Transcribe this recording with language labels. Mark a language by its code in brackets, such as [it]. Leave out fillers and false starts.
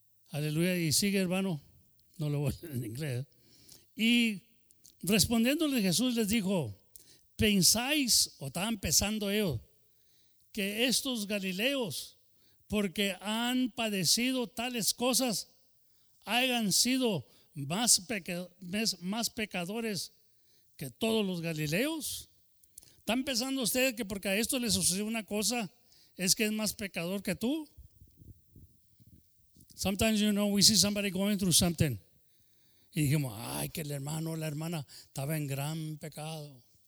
[es] aleluya, y sigue hermano, no lo voy a leer en inglés, y respondiéndole Jesús les dijo, ¿pensáis, o estaban pensando ellos, que estos galileos, porque han padecido tales cosas, hayan sido más pecadores que todos los galileos? ¿Están pensando ustedes que porque a esto le sucedió una cosa, es que es más pecador que tú? [en] Sometimes, you know, we see somebody going through something. [es] Y dijimos, ay, que el hermano o la hermana estaba en gran pecado.